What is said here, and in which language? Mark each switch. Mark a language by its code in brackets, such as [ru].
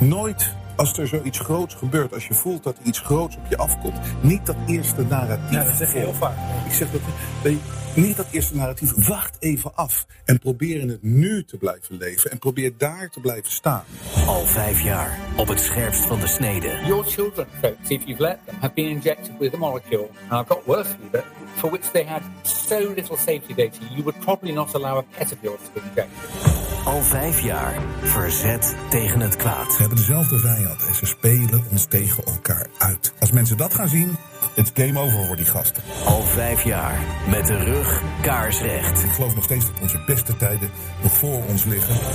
[nl] Nooit als er zoiets groots gebeurt, als je voelt dat iets groots op je afkomt. Niet dat eerste narratief. Ja, dat zeg je heel vaak. Ik zeg dat niet dat eerste narratief. Wacht even af en probeer in het nu te blijven leven. En probeer daar te blijven staan. Al vijf jaar op het scherpst van de snede. [en] Your children, folks, if you've let them, have been injected with a molecule. And I've got worse for you, but for which they had so little safety data. You would probably not allow a pet of yours to be injected. [nl] Al vijf jaar verzet tegen het kwaad. We hebben dezelfde vijand en ze spelen ons tegen elkaar uit. Als mensen dat gaan zien, het is game over voor die gasten. Al vijf jaar met de rug kaarsrecht. Ik geloof nog steeds dat onze beste tijden nog voor ons liggen.